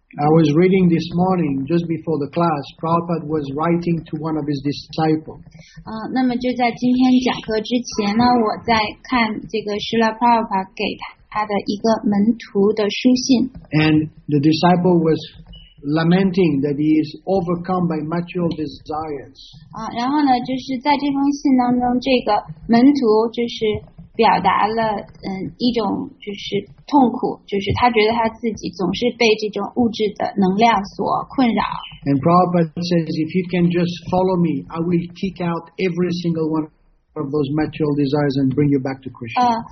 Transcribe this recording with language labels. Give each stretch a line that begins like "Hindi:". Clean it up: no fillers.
English: I was reading this morning, just before the class, Prabhupada was writing to one of his disciples.
Chinese: 那么就在今天讲课之前呢，我在看这个Srila Prabhupada给他的一个门徒的书信。
English: And the disciple was lamenting that he is overcome by material desires.
Chinese: 然后呢，就是在这封信当中，这个门徒就是表达了一种就是痛苦，就是他觉得他自己总是被这种物质的能量所困扰。
English: And Prabhupada says, if you can just follow me, I will kick out every single one of those material desires and bring you back to Krishna.